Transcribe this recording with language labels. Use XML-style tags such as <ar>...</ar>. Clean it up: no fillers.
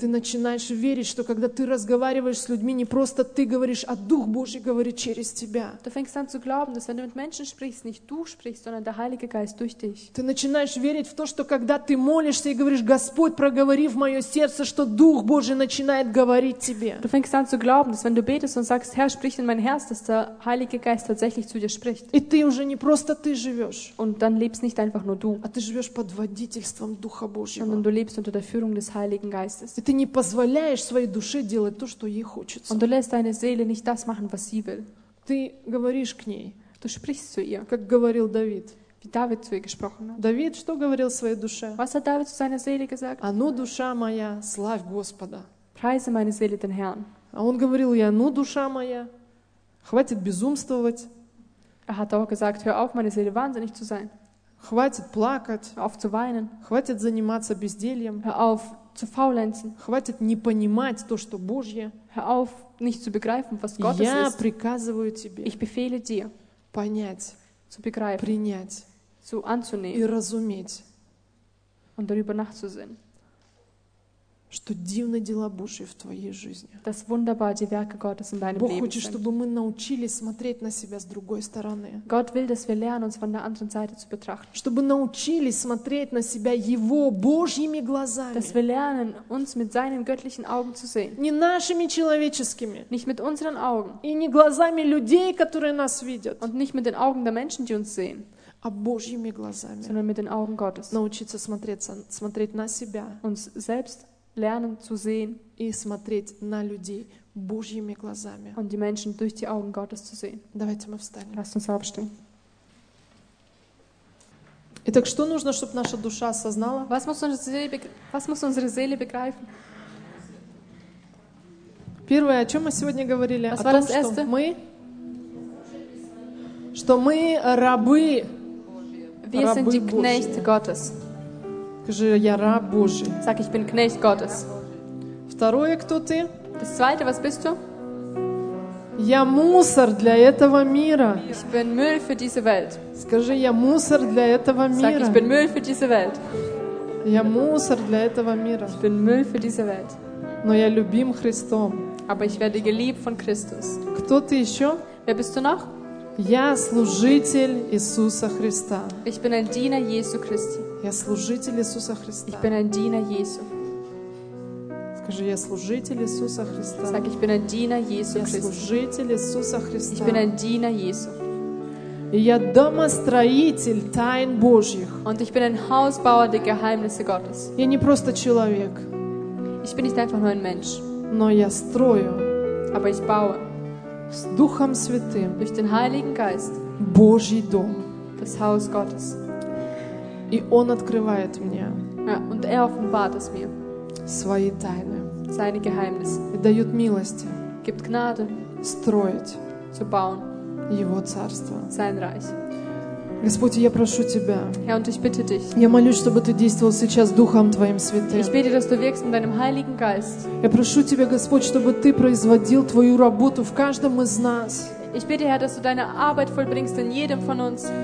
<ru>Ты начинаешь верить, что когда ты разговариваешь с людьми, не просто ты говоришь, а Дух Божий говорит через тебя.</ru> <de>Du fängst an zu glauben, dass wenn du mit Menschen sprichst, nicht du sprichst, sondern der Heilige Geist durch dich.</de> <ru>Ты начинаешь верить в то, что когда ты молишься и говоришь, Господь, проговори в мое сердце, что Дух Божий начинает говорить тебе.</ru> <de>Du fängst an zu glauben, dass wenn du betest und sagst, Herr, sprich in mein Herz, dass der Heilige Geist tatsächlich zu dir spricht.</de> <ru>И ты уже не просто ты живешь.</ru> <de>Und dann lebst nicht einfach nur du.</de> <ru>А ты живешь под водительством Духа Божьего.</ru> <de>Sondern du lebst unter der Führung des Heiligen Geistes.</de> <ru>И ты не позволяешь своей душе делать то, что ей хочется.</ru> <de>Und du lässt deine Seele nicht das machen, was sie will.</de> <ru>Ты говоришь к ней.</ru> <de>Du sprichst zu ihr.</de> <ru>Как говорил Давид.</ru> <de>Wie David zu ihr gesprochen hat.</de> <ru>Давид что говорил своей душе?</ru> <de>Was hat David zu seiner Seele gesagt?</de> <ru>А ну, душа моя, славь Господа.</ru> <de>Preise meine Seele den Herrn.</de> <ru>А он говорил ей, ну, душа моя, Хватит безумствовать.</ru> <de>Er hat auch gesagt, hör auf, meine Seele wahnsinnig zu sein.</de> <ru>Хватит плакать.</ru> <de>Auf zu weinen.</de> <ru>Хватит заниматься бездельем.</ru> <de>Hör auf zu faulenzen.</de> <ru>Хватит не понимать то, что Божье.</ru> <de>Hör auf nicht zu begreifen, was Gottes</de> <ru>Я</ru> <de>ist.</de> <ru>Я приказываю тебе.</ru> <de>Ich befehle dir.</de> <ru>Понять.</ru> <de>Zu begreifen.</de> <ru>Принять.</ru> <de>Zu anzunehmen.</de> <ru>И разуметь.</ru> <de>Und darüber nachzusehen.</de> <ru>Что дивны дела Божьи в твоей жизни.</ru> <de>Das wunderbar, die Werke Gottes in deinem</de> <ru>Бог</ru> <de>Leben</de> <ru>хочет,</ru> <de>sind.</de> <ru>Чтобы мы научились смотреть на себя с другой стороны.</ru> <de>Gott will, dass wir lernen, uns von der anderen Seite zu betrachten.</de> <ru>Чтобы научились смотреть на себя Его Божьими глазами.</ru> <de>Dass wir lernen, uns mit seinen göttlichen Augen zu sehen.</de> <ru>Не нашими человеческими.</ru> <de>Nicht mit unseren Augen.</de> <ru>И не глазами людей, которые нас видят.</ru> <de>Und nicht mit den Augen der Menschen, die uns sehen.</de> <ru>А Божьими глазами.</ru> <de>Sondern mit den Augen Gottes.</de> <ru>Научиться смотреть на себя.</ru> <de>Uns selbst lernen zu sehen</de> <ru>и смотреть на людей Божьими глазами.</ru> <de>Und die Menschen durch die Augen Gottes zu sehen.</de> <ru>Давайте мы встанем.</ru> <de>Lass uns aufstehen.</de> <ru>Итак, что нужно, чтобы наша душа осознала?</ru> <de>Was muss unsere Seele begreifen?</de> <ru>Первое, о чем мы сегодня говорили?</ru> <de>Was</de> <ru>о том,</ru> <de>das erste?</de> <ru>Что мы рабы.</ru> <de>Wir сind die Knechte Gottes.</de> <ru>Скажи, я раб Божий.</ru> <de>Sag, ich bin Knecht Gottes.</de> <ru>Второе, кто ты?</ru> <de>Das zweite, was bist du?</de> <ru>Я мусор для этого мира.</ru> <de>Ich bin Müll für diese Welt.</de> <ru>Скажи, я мусор для этого мира.</ru> <de>Sag, ich bin Müll für diese Welt.</de> <ru>Я мусор для этого мира.</ru> <de>Ich bin Müll für diese Welt.</de> <ru>Но я любим Христом.</ru> <de>Aber ich werde geliebt von Christus.</de> <ru>Кто ты еще?</ru> <de>Wer bist du noch?</de> <ru>Я служитель Иисуса Христа.</ru> <de>Ich bin ein Diener Jesu Christi.</de> <ru>Я служитель Иисуса Христа.</ru> <de>Ich bin ein Diener Jesu.</de> <ru>Скажи, я служитель Иисуса Христа.</ru> <de>Sag, ich bin ein Diener Jesu Christi.</de> <ru>Я служитель Иисуса Христа.</ru> <de>Ich bin ein Diener Jesu.</de> <ru>И я домостроитель тайн Божьих.</ru> <de>Und ich bin ein Hausbauer der Geheimnisse Gottes.</de> <ru>Я не просто человек.</ru> <de>Ich bin nicht einfach nur ein Mensch.</de> <ru>Но я строю.</ru> <de>Aber ich baue.</de> <ru>С Духом Святым.</ru> <de>Durch den Heiligen Geist.</de> <ru>Божий дом.</ru> <de>Das Haus Gottes.</de> <ru>И Он открывает мне</ru> <de>und er offenbart es mir.</de> <ru>Свои тайны.</ru> <de>Seine Geheimnisse.</de> <ru>И дает милости.</ru> <de>Gibt Gnade.</de> <ru>Строить.</ru> <de>Zu bauen.</de> <ru>Его царство.</ru> <de>Sein Reich.</de> <ru>Господь, я прошу Тебя.</ru> <de>Herr, und ich bitte dich.</de> <ru>Я молюсь, чтобы Ты действовал сейчас Духом Твоим Святым.</ru> <de>Ich bitte, dass du wirkst in deinem Heiligen Geist.</de> <ru>Я прошу Тебя, Господь, чтобы Ты производил Твою работу в каждом из нас.</ru> <de>Ich bitte, Herr, dass du deine Arbeit vollbringst in jedem von uns.</de>